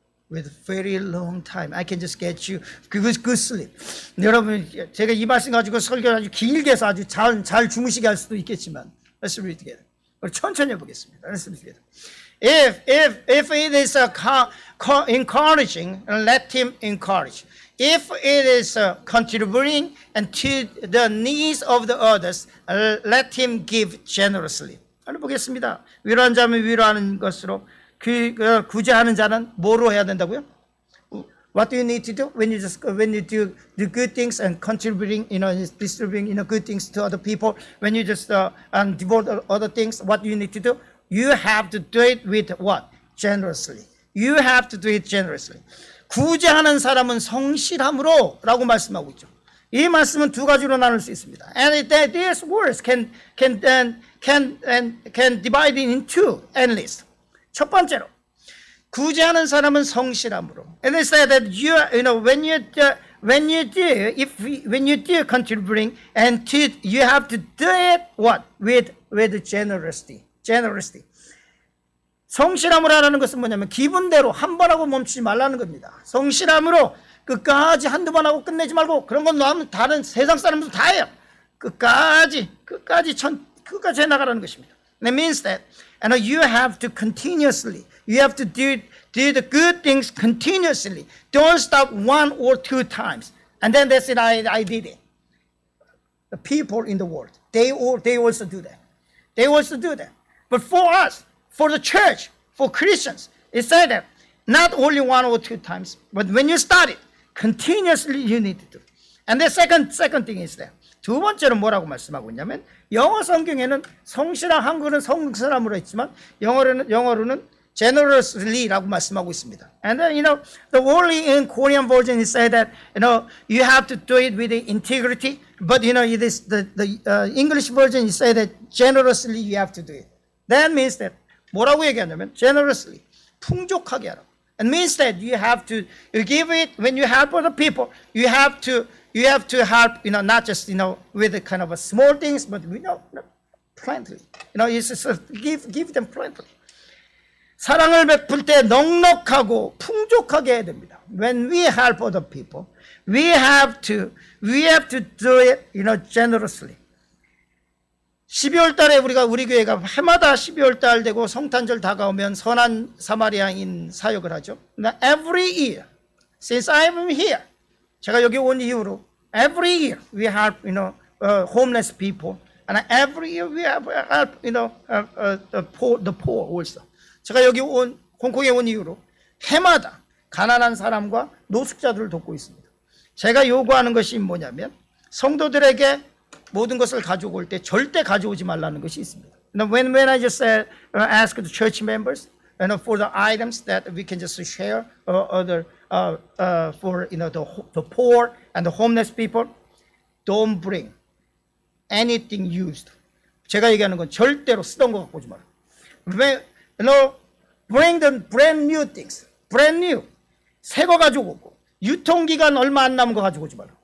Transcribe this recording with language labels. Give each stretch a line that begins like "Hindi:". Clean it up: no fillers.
English: With very long time, I can just get you good sleep.
Korean: 여러분, 제가 이 말씀 가지고 설교를 아주 길게 해서 아주 잘 주무시게 할 수도 있겠지만,
English: let's read together.
Korean: 천천히 해보겠습니다.
English: Let's read together. If it is encouraging, let him encourage. If it is contributing and to the needs of the others, let him give generously.
Korean: 한번 보겠습니다. 위로한 자면 위로하는 것으로. 구제하는 자는 뭐로 해야 된다고요?
English: What do you need to do when you just when you do the good things and contributing, you know, distributing, you know, good things to other people? When you just and devote other things, what do you need to do? You have to do it with what? Generously. You have to do it generously.
Korean: 구제하는 사람은 성실함으로라고 말씀하고 있죠. 이 말씀은 두 가지로 나눌 수 있습니다.
English: And these words can divide it in two at least.
Korean: 첫 번째로 구제하는 사람은 성실함으로.
English: And they say that you are, you know when you do contributing and to you have to do it what with generosity.
Korean: 성실함으로 하라는 것은 뭐냐면 기분대로 한 번 하고 멈추지 말라는 겁니다. 성실함으로 끝까지 한두 번 하고 끝내지 말고 그런 건 너무 다른 세상 사람들 다 해요. 끝까지 해 나가라는 것입니다.
English: That means that and you have to continuously, you have to do the good things continuously. Don't stop one or two times. And then they said, I did it. The people in the world, they also do that. But for us, for the church, for Christians, it said that not only one or two times, but when you start it, continuously you need to do it. And the second thing is that,
Korean: 두 번째로 뭐라고 말씀하고 있냐면, 영어 성경에는 성실한 한글은 성실함으로 했지만 영어로는 generously라고 말씀하고 있습니다.
English: And then, you know, the only in Korean version is said that you know you have to do it with integrity, but you know it is the English version is said that generously you have to do it. That means that
Korean: 뭐라고 얘기하냐면 generously 풍족하게 하라.
English: And means that you have to you give it when you help other people. You have to help, you know, not just, you know, with the kind of a small things, but, you know, plenty. You know, it's just give them plenty.
Korean: 사랑을 베풀 때 넉넉하고 풍족하게 해야 됩니다.
English: When we help other people, we have to do it, you know, generously.
Korean: 12월 달에 우리가 우리 교회가 해마다 12월 달 되고 성탄절 다가오면 선한 사마리아인 사역을 하죠.
English: Now, every year, since I'm here,
Korean: 제가 여기 온 이후로
English: every year we help, you know, homeless people, and every year we have help, you know, the poor also.
Korean: 제가 여기 온 홍콩에 온 이후로 해마다 가난한 사람과 노숙자들을 돕고 있습니다. 제가 요구하는 것이 뭐냐면 성도들에게 모든 것을 가져올 때 절대 가져오지 말라는 것이 있습니다.
English: Now, when I just said ask the church members, you know, for the items that we can just share or other for you know the poor and the homeless people, don't bring anything used.
Korean: 제가 얘기하는 건 절대로 쓰던 거 갖고 오지 마라.
English: You know, bring them brand new things, brand new.
Korean: 새 거 가지고 오고 유통 기간 얼마 안 남은 거 가지고 오지 마라.